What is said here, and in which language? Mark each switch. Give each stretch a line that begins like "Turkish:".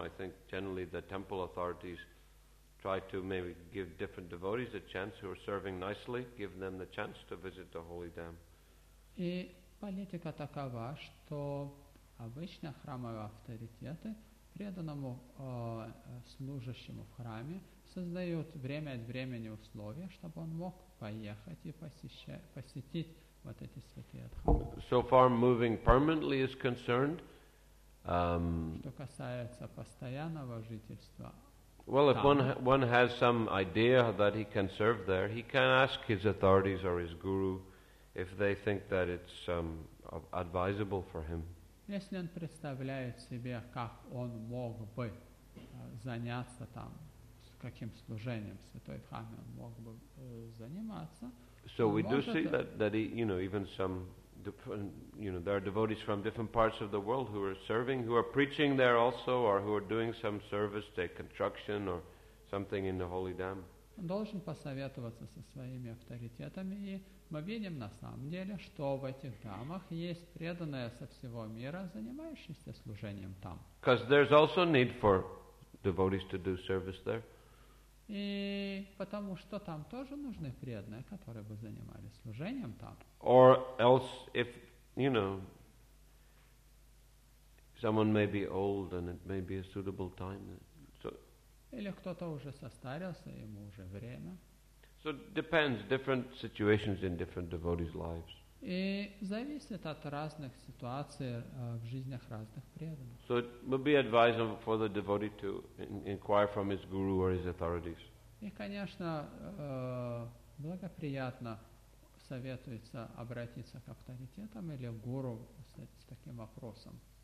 English: I think generally the temple authorities try to maybe give different devotees a chance who are serving nicely, give them the chance to visit the holy dam.
Russian: И политика такова, что обычно храмовые авторитеты преданному служащему в храме создают время от времени условия, чтобы он мог поехать и посетить вот эти святые храмы.
English: So far, moving permanently is concerned.
Russian: Что касается постоянного жительства.
English: Well, if one has some idea that he can serve there, he can ask his authorities or his guru if they think that it's advisable for him.
Russian: Если он представляет себе, как он мог бы заняться там, каким служением святой храме он мог бы заниматься.
English: So we do see that he, you know, even some different, you know, there are devotees from different parts of the world who are serving, who are preaching there also, or who are doing some service, say construction or something in the holy dam.
Russian: Он должен посоветоваться со своими авторитетами, и мы видим на самом деле, что в этих дамах есть преданные со всего мира, занимающиеся служением там.
English: Because there's also need for devotees to do service there.
Russian: И потому что там тоже нужны преданные, которые бы занимались служением там.
English: Or else, if, you know, someone may be old and it may be a suitable time. So,
Russian: или кто-то уже состарился, ему уже время.
English: So it depends, different situations in different devotees' lives.
Russian: И зависит от разных ситуаций в жизнях разных преданных.
English: So it would be advisable for the devotee to inquire from his guru or his authorities.
Russian: И, конечно, благоприятно советуется обратиться к авторитетам или гуру с таким вопросом.